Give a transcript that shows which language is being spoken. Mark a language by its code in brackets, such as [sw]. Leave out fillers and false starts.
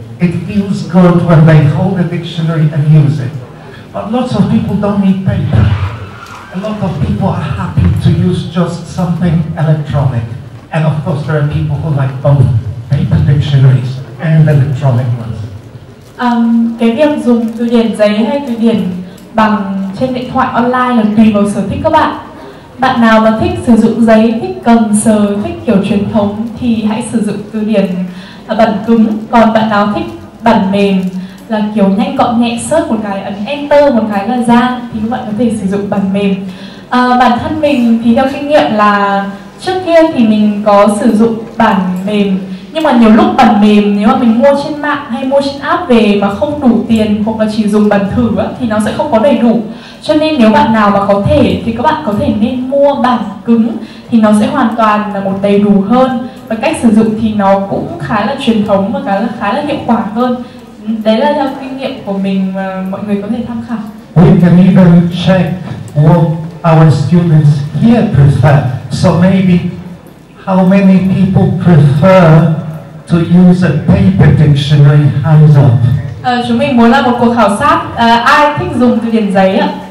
[en] It feels good when they hold a dictionary and use it. But lots of people don't need paper. A lot of people are happy to use just something electronic. And of course, there are people who like both paper dictionaries and electronic ones. [vi] Cái việc dùng từ điển giấy hay từ điển bằng trên điện thoại online là tùy vào sở thích các bạn. Bạn nào mà thích sử dụng giấy, thích cầm sờ, thích kiểu truyền thống thì hãy sử dụng từ điển bản cứng. Còn bạn nào thích bản mềm là kiểu nhanh gọn nhẹ, search một cái, ấn enter một cái là ra, thì các bạn có thể sử dụng bản mềm. Bản thân mình thì theo kinh nghiệm là trước kia thì mình có sử dụng bản mềm, nhưng mà nhiều lúc bản mềm nếu mà mình mua trên mạng hay mua trên app về mà không đủ tiền hoặc là chỉ dùng bản thử á, thì nó sẽ không có đầy đủ. Cho nên nếu bạn nào mà có thể thì các bạn có thể nên mua bản cứng thì nó sẽ hoàn toàn là một đầy đủ hơn. Và cách sử dụng thì nó cũng khá là truyền thống và khá là hiệu quả hơn. Đấy là theo kinh nghiệm của mình mà mọi người có thể tham khảo. [en] We can even check what our students here prefer. So maybe how many people prefer to use a paper dictionary, hands up. [vi] Chúng mình muốn làm một cuộc khảo sát. Ai thích dùng từ điển giấy ạ?